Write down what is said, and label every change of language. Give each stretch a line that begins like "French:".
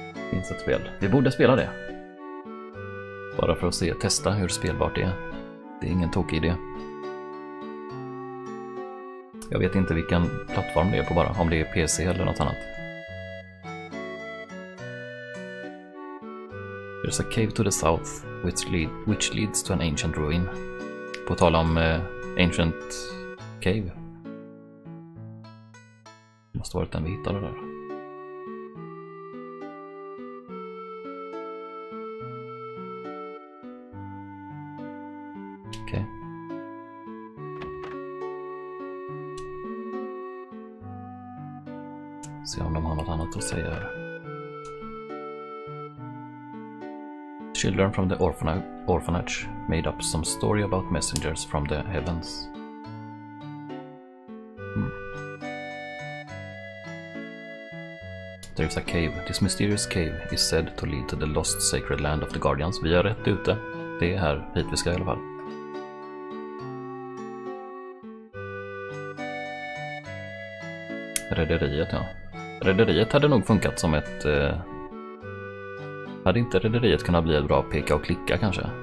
Swedish: Finns ett spel. Vi borde spela det. Bara för att se, testa hur spelbart det är. Det är ingen tokig idé. Jag vet inte vilken plattform det är på bara, om det är PC eller något annat.
English: There's a cave to the south which leads to an ancient ruin.
Swedish: På tal om Ancient Cave. Det måste varit den vi hittade där. Okej. Se om de har något annat att säga.
English: Children from the orphanage made up some story about messengers from the heavens. There is a cave. This mysterious cave is said to lead to the lost sacred land of the guardians.
Swedish: Vi är rätt ute. Det är här hit vi ska i alla fall. Rederiet, ja. Rederiet hade nog funkat som ett... Hade inte rederiet kunnat bli ett bra peka och klicka, kanske?